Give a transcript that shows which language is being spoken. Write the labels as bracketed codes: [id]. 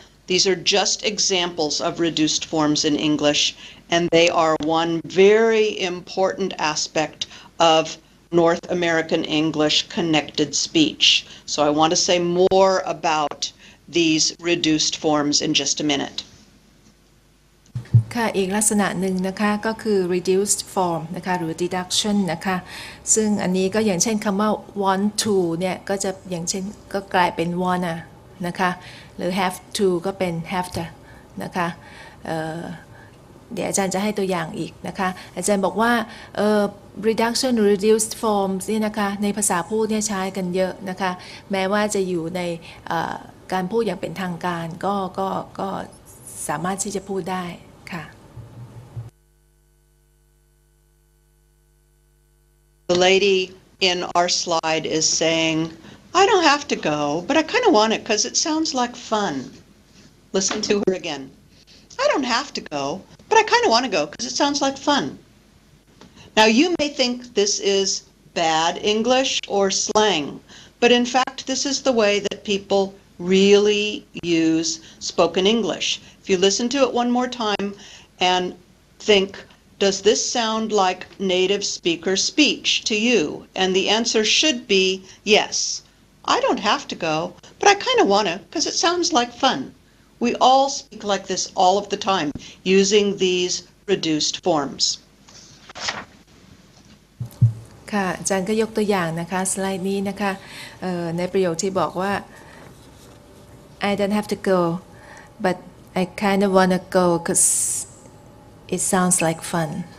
[en] These are just examples of reduced forms in English, and they are one very important aspect of North American English connected speech. So I want to say more about these reduced forms in just a minute. [th] ค่ะ อีกลักษณะหนึ่งนะคะก็คือ reduced form นะคะหรือ reduction นะคะซึ่งอันนี้ก็อย่างเช่นคำว่า want to เนี่ยก็จะอย่างเช่นก็กลายเป็น wanna นะคะหรือ have to ก็เป็น have to นะคะ เดี๋ยวอาจารย์จะให้ตัวอย่างอีกนะคะอาจารย์บอกว่า reduction reduced forms เนี่ยนะคะในภาษาพูดเนี่ยใช้กันเยอะนะคะแม้ว่าจะอยู่ในการพูดอย่างเป็นทางการก็สามารถที่จะพูดได้ค่ะ [en] The lady in our slide is saying I don't have to go but I kind of want it because it sounds like fun Listen to her again I don't have to goBut I kind of want to go because it sounds like fun. Now you may think this is bad English or slang, but in fact this is the way that people really use spoken English. If you listen to it one more time and think, does this sound like native speaker speech to you? And the answer should be yes. I don't have to go, but I kind of want to because it sounds like fun. We all speak like this all of the time, using these reduced forms. [th] ค่ะอาจารย์ก็ยกตัวอย่างนะคะสไลด์นี้นะคะในประโยคที่บอกว่า [en] I don't have to go, but I kind of want to go because it sounds like fun.